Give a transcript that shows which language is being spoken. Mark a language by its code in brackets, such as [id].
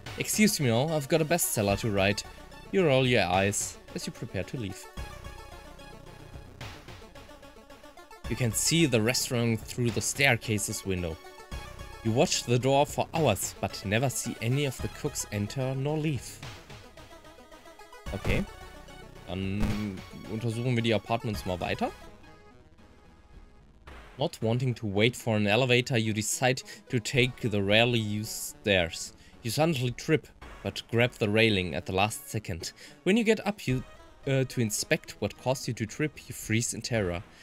[en] Excuse me, I've got a bestseller to write. You roll your eyes as you prepare to leave. You can see the restaurant through the staircase's window. You watch the door for hours, but never see any of the cooks enter nor leave. [de] Okay, dann untersuchen wir die Apartments mal weiter. [en] Not wanting to wait for an elevator, you decide to take the rarely used stairs. You suddenly trip, but grab the railing at the last second. When you get up to inspect what caused you to trip, you freeze in terror.